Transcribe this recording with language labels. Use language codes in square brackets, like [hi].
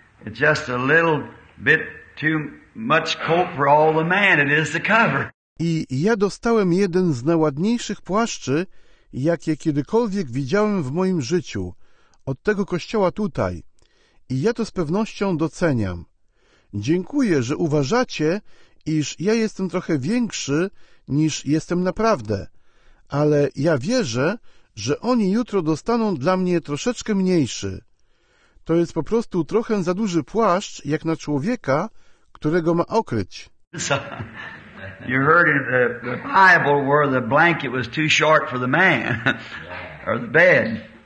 [en] It's just a little bit too much coat for all the man it is to cover. [pl] I ja dostałem jeden z najładniejszych płaszczy, jakie kiedykolwiek widziałem w moim życiu, od tego kościoła tutaj. I ja to z pewnością doceniam. Dziękuję, że uważacie, iż ja jestem trochę większy, niż jestem naprawdę. Ale ja wierzę, że oni jutro dostaną dla mnie troszeczkę mniejszy. To jest po prostu trochę za duży płaszcz, jak na człowieka, którego ma okryć. [en] You heard in the Bible where the blanket was too short for the man, or the bed.